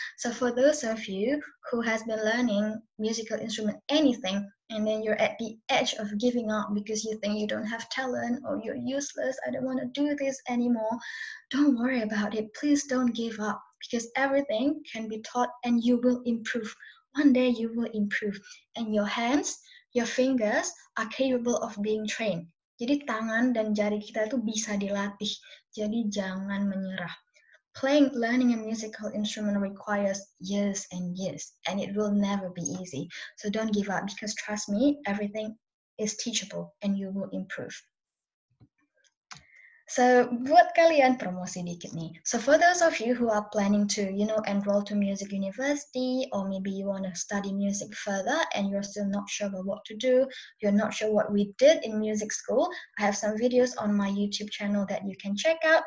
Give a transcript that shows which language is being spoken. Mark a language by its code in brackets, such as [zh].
[en] So for those of you who has been learning musical instrument, anything, and then you're at the edge of giving up because you think you don't have talent or you're useless, I don't want to do this anymore, don't worry about it. Please don't give up, because everything can be taught and you will improve. One day you will improve. And your hands, your fingers are capable of being trained. [id] Jadi tangan dan jari kita itu bisa dilatih. Jadi jangan menyerah. [en] Playing, learning a musical instrument requires years and years, and it will never be easy. So don't give up, because trust me, everything is teachable and you will improve. [id] So buat kalian promosi dikit nih. [en] So for those of you who are planning to, you know, enroll to music university, or maybe you want to study music further and you're still not sure about what to do, you're not sure what we did in music school, I have some videos on my YouTube channel that you can check out.